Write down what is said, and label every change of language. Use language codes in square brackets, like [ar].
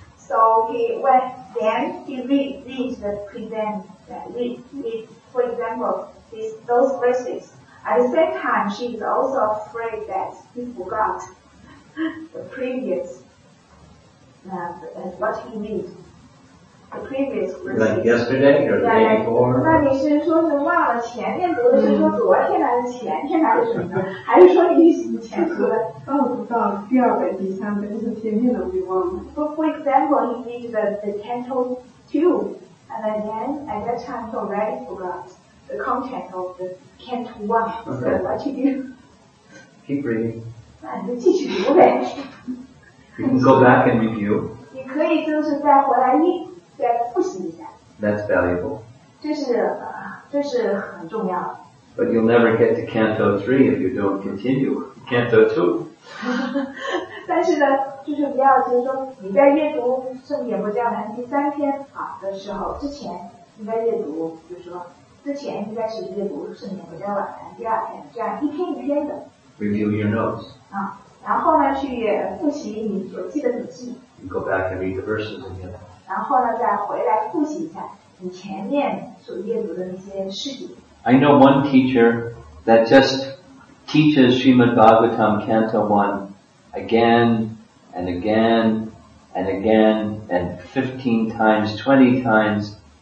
[en] So he went then, he reads the present, read, for example, those verses. At the same time, she is also afraid that he forgot the previous, what he read. The previous verses. Like yesterday or the day before? [zh] 那你是说是忘了前面读的，是说昨天还是前天还是什么的？还是说你以前读的？哦，不知道，第二本、第三本，就是前面的我忘了。 [en] But for example, he read the canto 2, and then at that time he already forgot the content of the canto 1. Okay. So what to do? Keep reading. [zh] 那你就继续读呗。 [en] You can go back and review. [zh] 你可以就是再回来念。 [en] That's valuable. [zh] 这是很重要的。 [en] But you'll never get to Canto 3 if you don't continue Canto 2. [zh] 但是呢，就是不要就是说你在阅读圣严伯迦兰第三篇啊的时候之前应该阅读，就是说之前应该是阅读圣严伯迦兰第二篇，这样一篇一篇的。 [en] Review your notes. [zh] 啊，然后呢去复习你所记的笔记。 [en] You go back and read the verses again. [zh] 然后呢，再回来复习一下你前面所阅读的那些事迹。 [en] I know one teacher that just teaches Srimad Bhagavatam Canto 1 again and again and again and 15 times, 20 times,